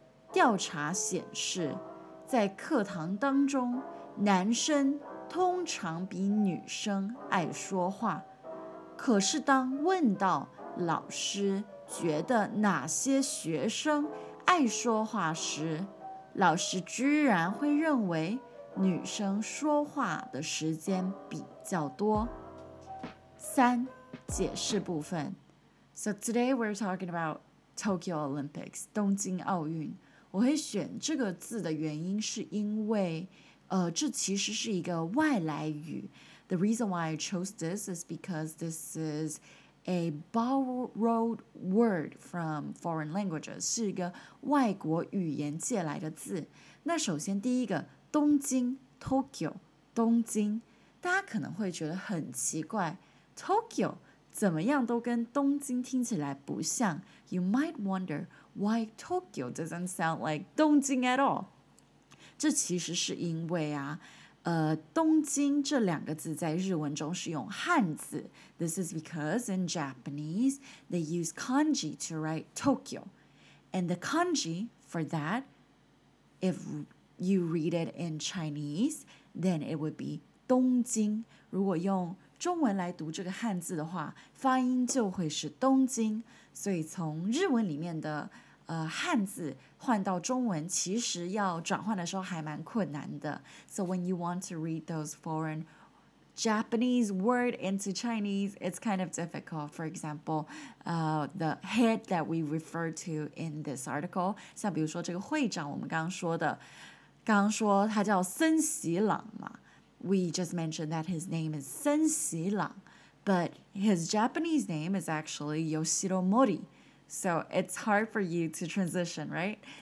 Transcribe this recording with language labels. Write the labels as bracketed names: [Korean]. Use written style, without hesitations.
[Chinese] 调查显示，在课堂当中，男生通常比女生爱说话，可是当问到老师觉得哪些学生 爱说话时，老师居然会认为女生说话的时间比较多。三，解释部分。So [English] today we're talking about Tokyo Olympics, 东京奥运。 [Chinese] 我会选这个字的原因是因为，这其实是一个外来语。 [English] The reason why I chose this is because this is a borrowed word from foreign languages, [Chinese] 是一个外国语言借来的字。那首先第一个,东京, Tokyo, 东京,大家可能会觉得很奇怪, [English] Tokyo [Chinese] 怎么样都跟东京听起来不像。 [English] You might wonder why Tokyo doesn't sound like 东京 at all. [Chinese] 这其实是因为啊, 东京这两个字在日文中是用汉字。 [English] This is because in Japanese, they use kanji to write Tokyo. And the kanji for that, if you read it in Chinese, then it would be 东京. [Chinese] 如果用中文来读这个汉字的话, 发音就会是东京。所以从日文里面的 汉字换到中文其实要转换的时候还蛮困难的。 [English] So when you want to read those foreign Japanese word into Chinese, it's kind of difficult. For example, the head that we refer to in this article, [Chinese] 像比如说这个会长我们刚刚说的，刚刚说他叫森喜朗嘛。 [English] We just mentioned that his name is Sen Xilang, but his Japanese name is actually Yoshiro Mori. So it's hard for you to transition, right?